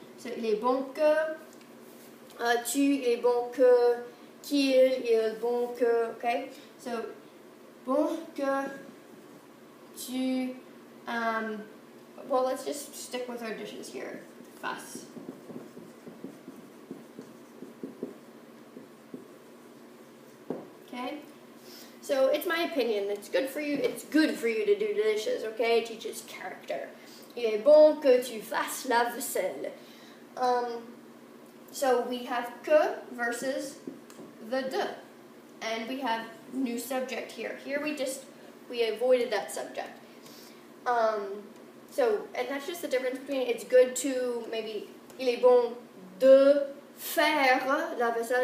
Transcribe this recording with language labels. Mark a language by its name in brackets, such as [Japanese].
[French] So il est bon que, tu, il est bon que, qu'il, il est bon que, okay? [English] So, [French] bon que, tu, [English] well, let's just stick with our dishes here, fuss. Okay, so it's my opinion. It's good for you. It's good for you to do the dishes. Okay, it teaches character. [French] Il est bon que tu fasses la vaisselle. [English] So we have que versus the de, and we have new subject here. Here we avoided that subject. So and that's just the difference between it's good to maybe [French] il est bon de faire la vaisselle.